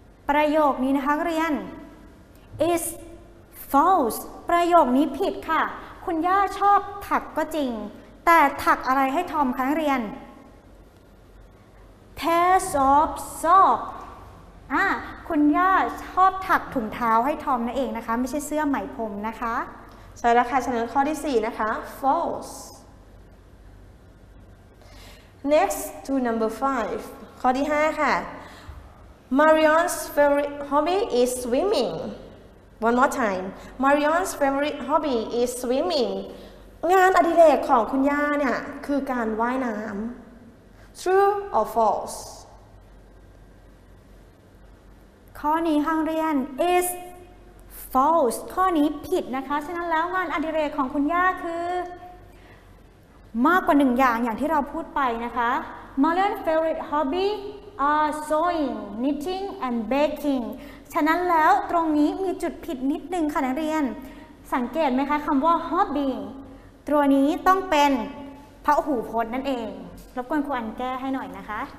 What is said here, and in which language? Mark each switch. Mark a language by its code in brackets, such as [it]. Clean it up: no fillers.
[th] ประโยคนี้นะคะเรียน [en] is false [th] ประโยคนี้ผิดค่ะคุณย่าชอบถักก็จริงแต่ถักอะไรให้ทอมคะเรียน [en] pairs of socks [th] คุณย่าชอบถักถุงเท้าให้ทอมนั่นเองนะคะไม่ใช่เสื้อใหม่พรมนะคะ ใช่แล้วค่ะฉะนั้นข้อที่4นะคะ [en] falseNext to number 5. [th] ข้อที่5ค่ะ [en] Marion's favorite hobby is swimming. One more time. Marion's favorite hobby is swimming. [th] งานอดิเรกของคุณย่าเนี่ยคือการว่ายน้ำ [en] True or false? [th] ข้อนี้ห้องเรียน [en] is false. [th] ข้อนี้ผิดนะคะฉะนั้นแล้วงานอดิเรกของคุณย่าคือมากกว่า1อย่างอย่างที่เราพูดไปนะคะ [en] Marion's favorite hobby are sewing, knitting and baking [th] ฉะนั้นแล้วตรงนี้มีจุดผิดนิดนึงค่ะนักเรียนสังเกตไหมคะคำว่า hobby ตัวนี้ต้องเป็นพหูพจน์นั่นเองรบกวนครูอันแก้ให้หน่อยนะคะ